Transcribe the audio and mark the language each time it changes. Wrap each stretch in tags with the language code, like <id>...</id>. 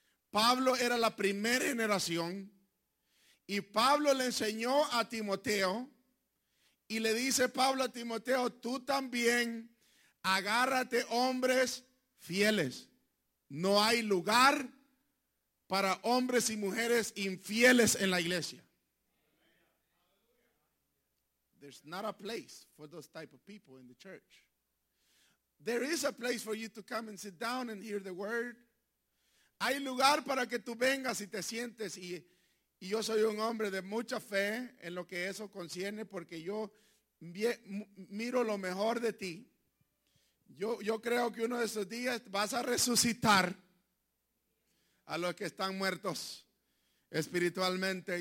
<es>Pablo era la primera generación y Pablo le enseñó a Timoteo y le dice Pablo a Timoteo, tú también agárrate hombres fieles. No hay lugar para hombres y mujeres infieles en la iglesia.</es> <en>There's not a place for those type of people in the church. There is a place for you to come and sit down and hear the word.</en> <es>Hay lugar para que tú vengas y te sientes y yo soy un hombre de mucha fe en lo que eso concierne porque yo miro lo mejor de ti. Yo creo que uno de esos días vas a resucitar a los que están muertos espiritualmente.</es>